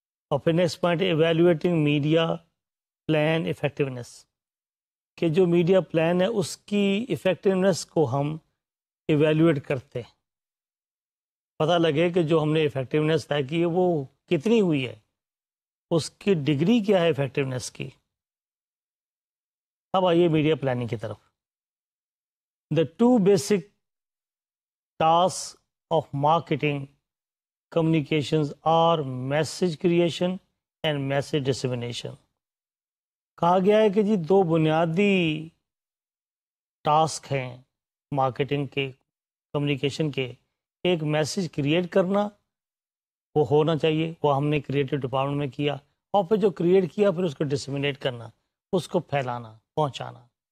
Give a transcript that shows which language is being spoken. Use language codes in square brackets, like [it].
[ur] اور پھر next point [en] evaluating media plan effectiveness, [ur] کہ جو میڈیا پلان ہے اس کی افیکٹونیس کو ہم ایویلیویٹ کرتے ہیں, پتہ لگے کہ جو ہم نے افیکٹونیس طے کی ہے وہ کتنی ہوئی ہے, اس کی ڈگری کیا ہے افیکٹونیس کی. اب آئیے میڈیا پلاننگ کی طرف. [en] The two basic task of marketing communications are message creation and message dissemination. [ur] کہا گیا ہے کہ جی دو بنیادی ٹاسک ہیں مارکیٹنگ کے, کمیونیکیشن کے, ایک میسج کریٹ کرنا وہ ہونا چاہیے, وہ ہم نے کریٹو ڈپارٹمنٹ میں کیا, اور پھر جو کریٹ کیا پھر اس کو ڈسمینیٹ کرنا, اس کو پھیلانا پہنچانا.